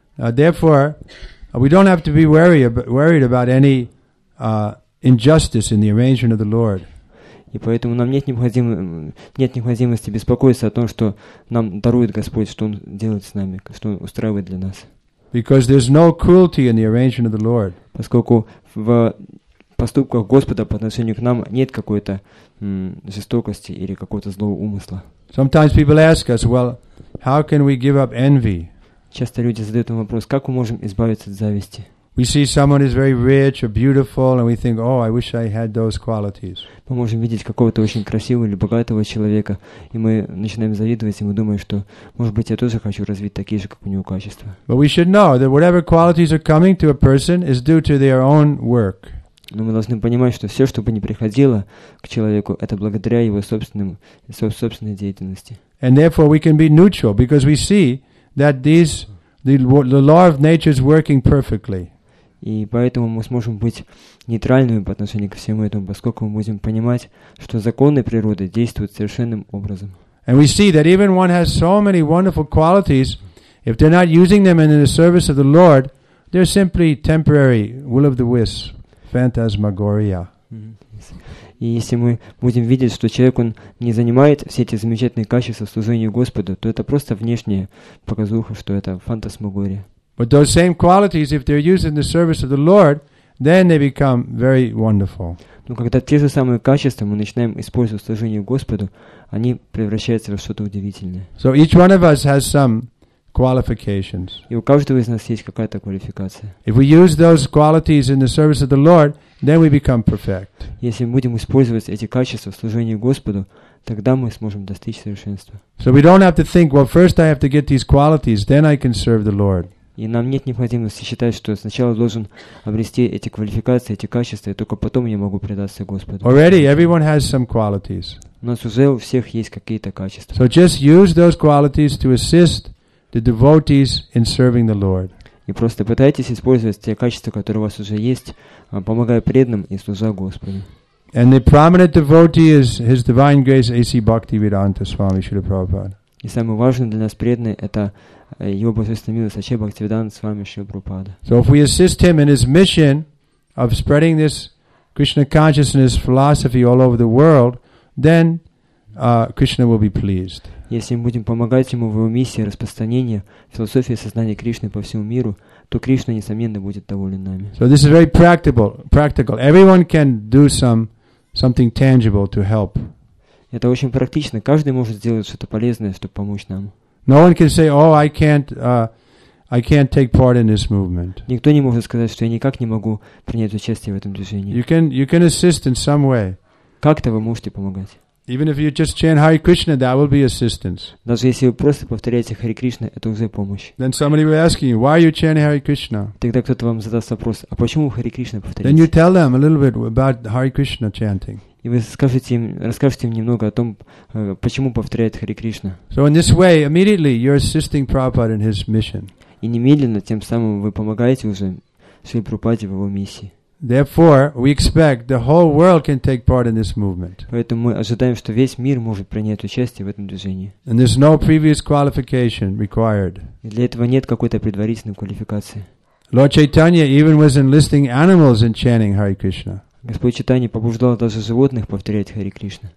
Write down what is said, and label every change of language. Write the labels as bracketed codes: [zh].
[en] Therefore, we don't have to be worried about any injustice in the arrangement of the Lord. [ru] И поэтому нам нет необходимости беспокоиться о том, что нам дарует Господь, что Он делает с нами, что Он устраивает для нас. [en] Because there's no cruelty in the arrangement of the Lord. [ru] Поскольку в поступках Господа по отношению к нам нет какой-то жестокости или какого-то злого умысла. [en] Sometimes people ask us, well, how can we give up envy? [ru] Часто люди задают нам вопрос, как мы можем избавиться от зависти? [en] We see someone is very rich or beautiful, and we think, "Oh, I wish I had those qualities." [ru] Мы можем видеть какого-то очень красивого или богатого человека, и мы начинаем завидовать, и мы думаем, что, может быть, я тоже хочу развить такие же, как у него, качества. [en] But we should know that whatever qualities are coming to a person is due to their own work. [ru] Но мы должны понимать, что все, что бы ни приходило к человеку, это благодаря его собственной деятельности. [en] And therefore, we can be neutral because we see that the law of nature is working perfectly. [ru] И поэтому мы сможем быть нейтральными по отношению ко всему этому, поскольку мы будем понимать, что законы природы действуют совершенным образом. [en] And we see that even one has so many wonderful qualities, if they're not using them in the service of the Lord, they're simply temporary will of the wisp, phantasmagoria. [ru] И если мы будем видеть, что человек, он не занимает все эти замечательные качества в служении Господу, то это просто внешняя показуха, что это фантасмагория. [en] But those same qualities, if they're used in the service of the Lord, then they become very wonderful. [ru] Но когда те же самые качества мы начинаем использовать в служении Господу, они превращаются в что-то удивительное. [en] So each one of us has some qualifications. [ru] И у каждого из нас есть какая-то квалификация. [en] If we use those qualities in the service of the Lord, then we become perfect. [ru] Если мы будем использовать эти качества в служении Господу, тогда мы сможем достичь совершенства. [en] So we don't have to think, well, first I have to get these qualities, then I can serve the Lord. [ru] И нам нет необходимости считать, что сначала должен обрести эти квалификации, эти качества, и только потом я могу предаться Господу. [en] Already everyone has some qualities. [ru] У нас уже у всех есть какие-то качества. [en] So just use those qualities to assist the devotees in serving the Lord. [ru] И просто пытайтесь использовать те качества, которые у вас уже есть, помогая преданным и служа Господу. [en] And the prominent devotee is His Divine Grace A.C. Bhaktivedanta Swami Srila Prabhupada. [ru] И самый важный для нас преданный это его божественная милость Ачхе Бхактивиданта Свами Шрила Прабхупада. [en] So if we assist him in his mission of spreading this Krishna consciousness philosophy all over the world, then Krishna will be pleased. [ru] Если мы будем помогать ему в его миссии распространения философии сознания Кришны по всему миру, то Кришна несомненно будет доволен нами. [en] So this is very practical. Everyone can do something tangible to help. [ru] Это очень практично. Каждый может сделать что-то полезное, чтобы помочь нам. [en] No one can say, "Oh, I can't take part in this movement." [ru] Никто не может сказать, что я никак не могу принять участие в этом движении. [en] You can assist in some way. [ru] Как-то вы можете помогать. [en] Even if you just chant Hare Krishna, that will be assistance. [ru] Даже если вы просто повторяете Хари Кришна, это уже помощь. [en] Then somebody will ask you, "Why are you chanting Hare Krishna?" [ru] Тогда кто-то вам задаст вопрос: а почему Хари Кришна повторяете? [en] Then you tell them a little bit about Hare Krishna chanting. [ru] И вы расскажете им немного о том, почему повторяет Хари Кришна. [en] So in this way, immediately you're assisting Prabhupada in his mission. [ru] И немедленно тем самым вы помогаете уже Шри Прабхупаде в его миссии. [en] Therefore, we expect the whole world can take part in this movement. [ru] Поэтому мы ожидаем, что весь мир может принять участие в этом движении. [en] And there's no previous qualification required. [ru] И для этого нет какой-то предварительной квалификации. [en] Lord Chaitanya even was enlisting animals in chanting Hare Krishna. [ru] Господь Читания побуждал даже животных повторять Хари Кришна.